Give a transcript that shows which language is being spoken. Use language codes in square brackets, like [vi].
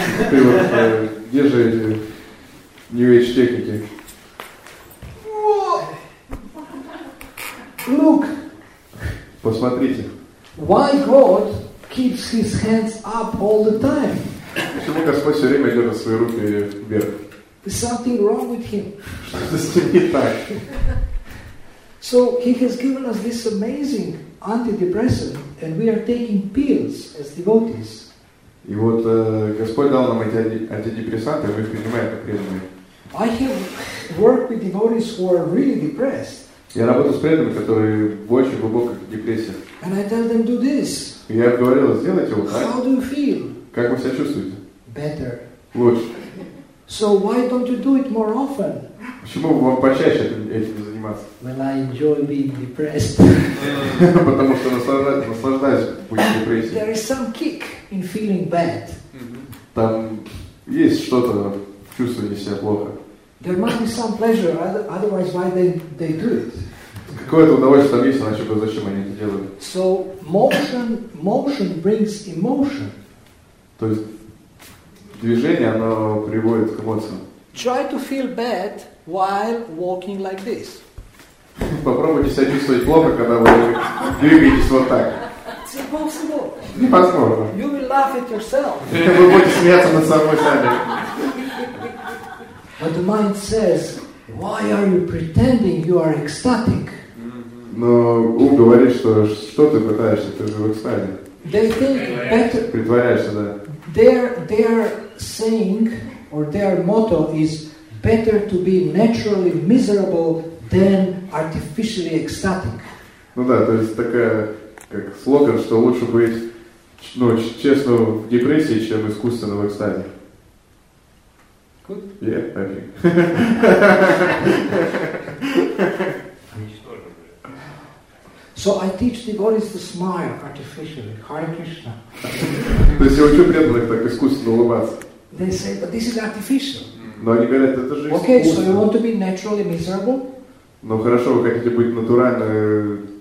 [ru] Ты вот где же New Age техники? [en] Look. [ru] Посмотрите. [en] Why God keeps his hands up all the time? [ru] Почему Господь все время держит свои руки вверх? [en] There's something wrong with him. [ru] Что-то с ним не так. [en] So he has given us this amazing antidepressant, and we are taking pills as devotees. [ru] И вот Господь дал нам эти антидепрессанты, мы их принимаем как преданные. [en] I have worked with devotees who are really depressed. [ru] Я работаю с преданными, которые в очень глубокой депрессии. [en] And I tell them, do this. [ru] И я говорил, сделайте вот так. [en] How do you feel? [ru] Как вы себя чувствуете? [en] Better. [ru] Лучше. [en] So why don't you do it more often? [ru] Почему вам почаще этим заниматься? [en] Well, I enjoy being depressed. [ru] Потому что наслаждаюсь быть в депрессии. [en] There is some kick in feeling bad. [ru] Там есть что-то в чувствовании себя плохо. [en] There must be some pleasure, otherwise why they do it? [ru] Какое-то удовольствие там есть, иначе зачем они это делают? [en] So motion brings emotion. [ru] То есть движение, оно приводит к эмоциям. [en] Try to feel bad while walking like this. [ru] Попробуйте себя чувствовать плохо, когда вы двигаетесь вот так. [en] It's impossible. [ru] Невозможно. [en] You will laugh at yourself. [ru] Вы будете смеяться над собой сами. [en] But the mind says, why are you pretending you are ecstatic? [ru] Но ум говорит, что ты пытаешься, ты же в экстазе. [en] They think better. [ru] Притворяешься, да. [en] Their saying or their motto is better to be naturally miserable than artificially ecstatic. [ru] Ну да, то есть такая как слоган, что лучше быть честно в депрессии, чем искусственно в экстазе. [en] Good? Yeah, I think. So I teach devotees to smile artificially. Hare Krishna. [ru] То есть я учу преданных так искусственно улыбаться. [en] They say, but this is artificial. [ru] Но они говорят, это же искусственно. [en] Okay, so you want to be naturally miserable? [ru] Ну хорошо, вы хотите быть натурально...